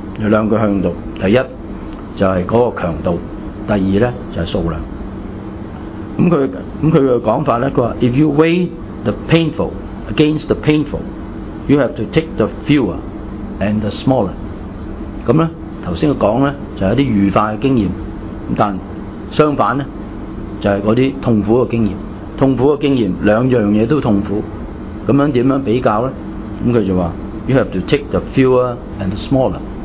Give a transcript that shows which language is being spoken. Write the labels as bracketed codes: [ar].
[zh] 有兩個向度，第一就是那個強度，第二呢就是數量。他的講法呢，他說 [en] If you weigh the painful against the painful, you have to take the fewer and the smaller。 [zh] 那呢剛才他說呢就是一些愉快的經驗，但相反呢就是那些痛苦的經驗。痛苦的經驗兩樣東西都痛苦，那樣怎樣比較呢？那他就說 [en] You have to take the fewer and the smaller。